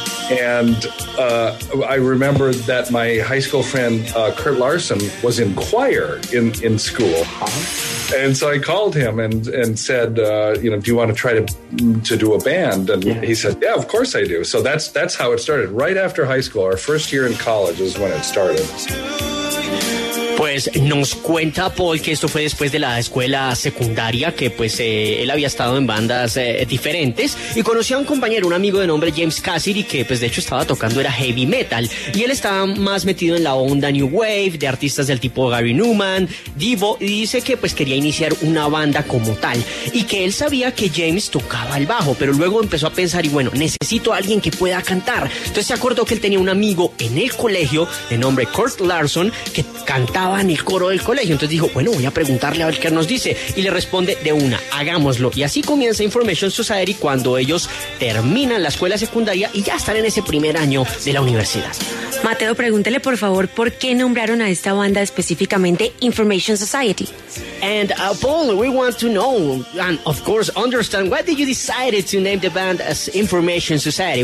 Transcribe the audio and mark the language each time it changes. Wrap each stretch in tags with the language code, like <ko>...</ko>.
<en>And I remember that my high school friend, Kurt Larson, was in choir in school. And so I called him and said, you know, do you want to try to do a band? And yeah. He said, yeah, of course I do. So that's how it started. Right after high school, our first year in college is when it started.</en> <es>Pues nos cuenta Paul que esto fue después de la escuela secundaria, que pues él había estado en bandas diferentes y conoció a un compañero, un amigo de nombre James Cassidy, que pues de hecho estaba tocando, era heavy metal, y él estaba más metido en la onda New Wave, de artistas del tipo Gary Numan, Devo, y dice que pues quería iniciar una banda como tal, y que él sabía que James tocaba el bajo, pero luego empezó a pensar y bueno, necesito a alguien que pueda cantar, entonces se acordó que él tenía un amigo en el colegio de nombre Kurt Larson, que cantaba en el coro del colegio, entonces dijo, bueno, voy a preguntarle a ver qué nos dice, y le responde de una, hagámoslo, y así comienza Information Society cuando ellos terminan la escuela secundaria y ya están en ese primer año de la universidad. Mateo, pregúntele por favor, ¿por qué nombraron a esta banda específicamente Information Society?</es> <en>And Paul, we want to know, and of course understand, why did you decide to name the band as Information Society?</en>